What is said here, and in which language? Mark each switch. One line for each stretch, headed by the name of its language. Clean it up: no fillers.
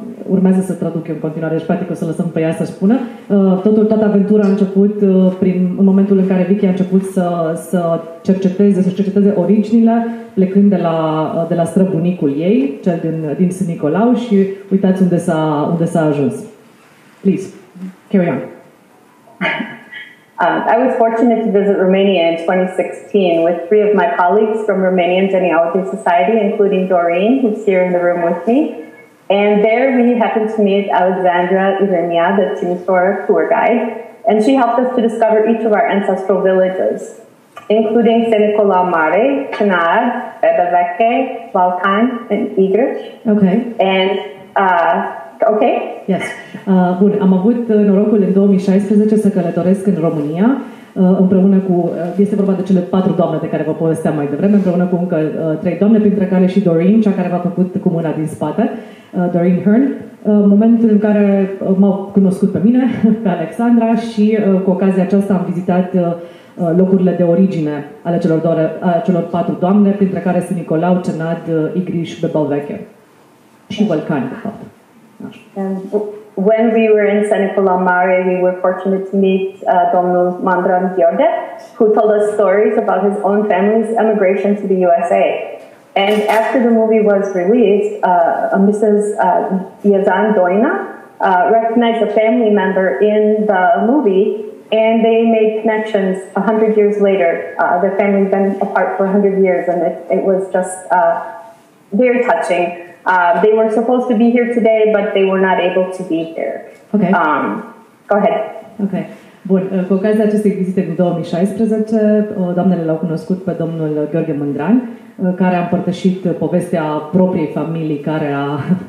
Romanian: Urmează să traduc eu în continuare și practic o să lăsăm pe ea să spună. Toată aventura a început în momentul în care Vicky a început să cerceteze originile, plecând de la străbunicul ei, cel din Sânnicolau, și uitați unde s-a ajuns.
English: Please, carry on. I was fortunate to visit Romania in 2016 with three of my colleagues from Romanian Genealogy Society, including Doreen, who's here in the room with me. And there we happened to meet Alexandra Irimia, the Timisoara Tour guide, and she helped us to discover each of our ancestral villages, including Sânnicolau Mare, Cânar, Beba Veche, Balcan, and Idrish. Okay. And, okay? Yes.
Romanian: Bun, am avut norocul în 2016 să călătoresc în România, împreună cu, este vorba de cele patru doamne de care vă povesteam mai devreme, împreună cu încă trei doamne, printre care și Doreen, cea care v-a făcut cu mâna din spate, Doreen Hearn, momentul în care m-au cunoscut pe mine, pe Alexandra, și cu ocazia aceasta am vizitat locurile de origine ale celor patru doamne, printre care sunt Nicolau, Cenad, Igriș, Bebel Veche și Balcan, de fapt.
English: When we were in Sânnicolau Mare, we were fortunate to meet Domnul Mandran Gheorghe, who told us stories about his own family's emigration to the USA. And after the movie was released, Mrs. Iazan Doina recognized a family member in the movie, and they made connections 100 years later. Their family had been apart for 100 years, and it was just very touching. They were supposed to be here today, but they were not able to be here. Okay. Go ahead. Okay.
Romanian: Bun, cu ocazia acestei vizite din 2016, doamnele l-au cunoscut pe domnul Gheorghe Mândran, care a împărtășit povestea propriei familii, care a...